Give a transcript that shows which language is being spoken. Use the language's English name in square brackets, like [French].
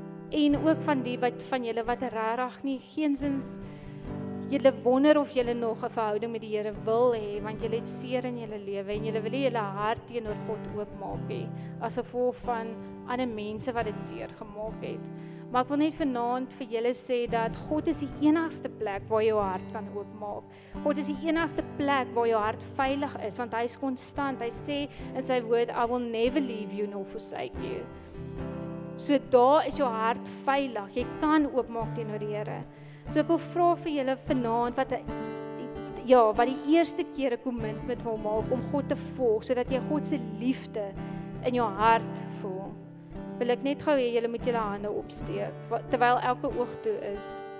[Afrikaans] En ook van die wat van julle wat regtig nie geensins julle wonder of julle nog 'n verhouding met die Here wil hê, want julle het seer in julle lewe en julle wil nie julle hart teenoor God oopmaak nie, as gevolg van ander mense wat dit seer gemaak het. Maar ek wil net vanaand vir julle sê dat God is die enigste plek waar jou hart kan oopmaak. God is die enigste plek waar jou hart veilig is, want hy is konstant. Hy sê in sy woord, [English] I will never leave you nor forsake you. [Afrikaans] So daar is jou hart veilig. Jy kan oopmaak teenoor die Here. So ek wil vra vir julle vanaand wat die eerste keer 'n commitment wil maak om God te volg, sodat jy God se liefde in jou hart voel. Wil ek net gou hê julle moet julle hande opsteek terwyl elke oog toe is.